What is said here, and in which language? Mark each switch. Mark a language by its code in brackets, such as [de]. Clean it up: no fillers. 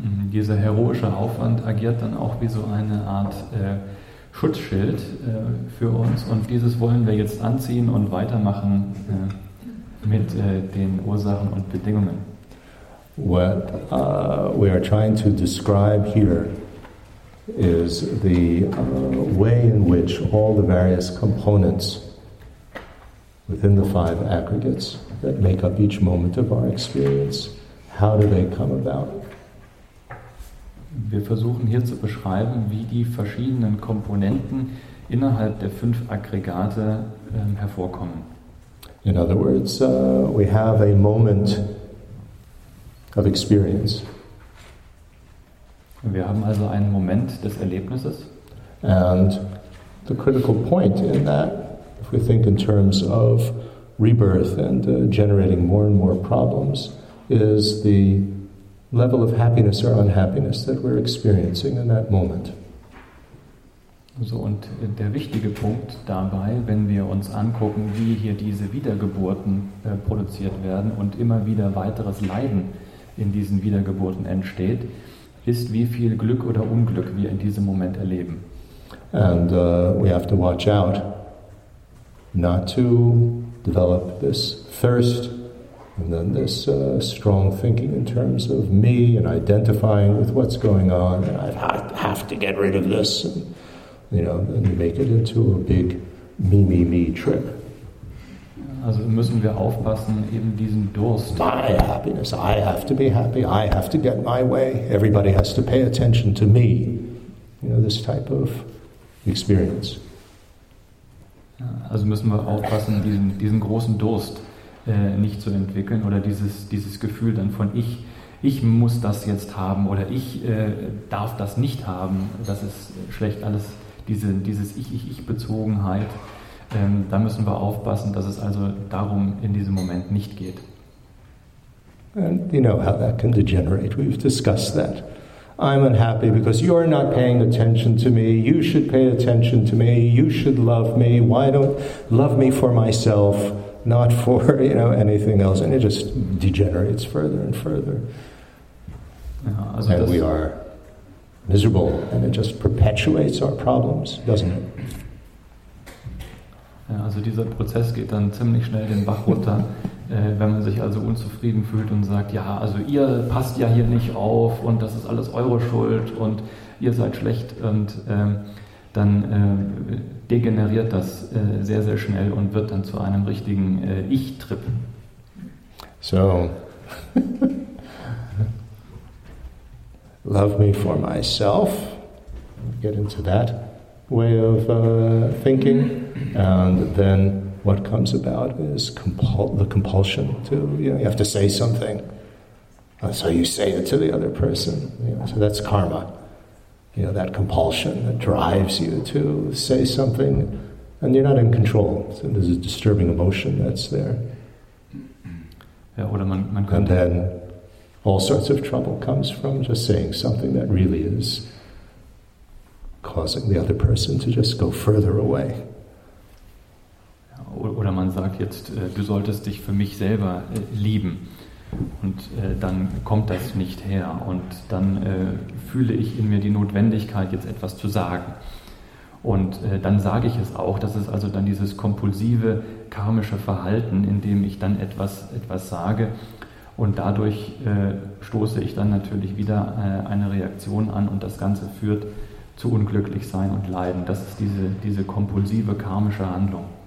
[de] Dieser heroische Aufwand agiert dann auch wie so eine Art Schutzschild für uns, und dieses wollen wir jetzt anziehen und weitermachen mit den Ursachen und Bedingungen. [en] What we are trying to describe here is the way in which all the various components within the five aggregates that make up each moment of our experience, how do they come about? [de] Wir versuchen hier zu beschreiben, wie die verschiedenen Komponenten innerhalb der fünf Aggregate hervorkommen. [en] In other words, we have a moment of experience. [de] Wir haben also einen Moment des Erlebnisses. [en] And the critical point in that, if we think in terms of rebirth and generating more and more problems, is the level of happiness or unhappiness that we're experiencing in that moment. [de] So, und der wichtige Punkt dabei, wenn wir uns angucken, wie hier diese Wiedergeburten produziert werden und immer wieder weiteres Leiden in diesen Wiedergeburten entsteht, ist, wie viel Glück oder Unglück wir in diesem Moment erleben. [en] And we have to watch out not to develop this thirst. And then this strong thinking in terms of me and identifying with what's going on, and I have to get rid of this, and, you know, and make it into a big me, me, me trip. [de] Also müssen wir aufpassen, eben diesen Durst. [en] My happiness, I have to be happy, I have to get my way, everybody has to pay attention to me. You know, this type of experience. [de] Also müssen wir aufpassen, diesen großen Durst nicht zu entwickeln, oder dieses Gefühl dann von ich muss das jetzt haben, oder ich darf das nicht haben, das ist schlecht, alles dieses Ich-Bezogenheit, da müssen wir aufpassen, dass es also darum in diesem Moment nicht geht. [en] And you know how that can degenerate, we've discussed that. I'm unhappy because you're not paying attention to me, you should pay attention to me, you should love me, why don't love me for myself, not for, you know, anything else, and it just degenerates further and further. [de] Ja, also [en] and we are miserable, and it just perpetuates our problems, doesn't it? [de] Ja, also dieser Prozess geht dann ziemlich schnell den Bach runter, wenn man sich also unzufrieden fühlt und sagt, ja, also ihr passt ja hier nicht auf, und das ist alles eure Schuld, und ihr seid schlecht, und dann degeneriert das sehr, sehr schnell und wird dann zu einem richtigen Ich-Trip. [en] So, love me for myself, get into that way of thinking, and then what comes about is the compulsion to, you know, you have to say something, so you say it to the other person, you know, so that's karma. You know, that compulsion that drives you to say something, and you're not in control. So there's a disturbing emotion that's there. [de] Ja, oder man [en] and then all sorts of trouble comes from just saying something that really is causing the other person to just go further away. [de] Ja, oder man sagt jetzt, du solltest dich für mich selber lieben. Und dann kommt das nicht her, und dann fühle ich in mir die Notwendigkeit, jetzt etwas zu sagen. Und dann sage ich es auch, das ist also dann dieses kompulsive, karmische Verhalten, in dem ich dann etwas sage, und dadurch stoße ich dann natürlich wieder eine Reaktion an, und das Ganze führt zu unglücklich sein und Leiden. Das ist diese kompulsive, karmische Handlung,